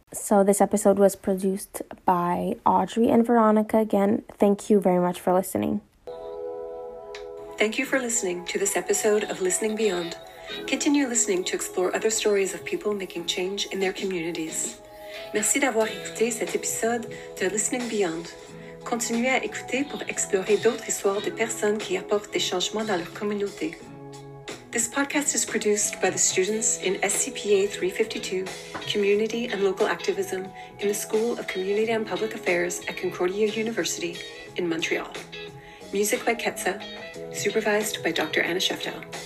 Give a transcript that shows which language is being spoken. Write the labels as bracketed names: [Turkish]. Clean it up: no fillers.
[English] So this episode was produced by Audrey and Veronica. Again, thank you very much for listening. Thank you for listening to this episode of Listening Beyond. Continue listening to explore other stories of people making change in their communities. [French] Merci d'avoir écouté cet épisode de Listening Beyond. Continuez à écouter pour explorer d'autres histoires de personnes qui apportent des changements dans leur communauté. [English] This podcast is produced by the students in SCPA 352, Community and Local Activism, in the School of Community and Public Affairs at Concordia University in Montreal. Music by Ketza, supervised by Dr. Anna Sheftel.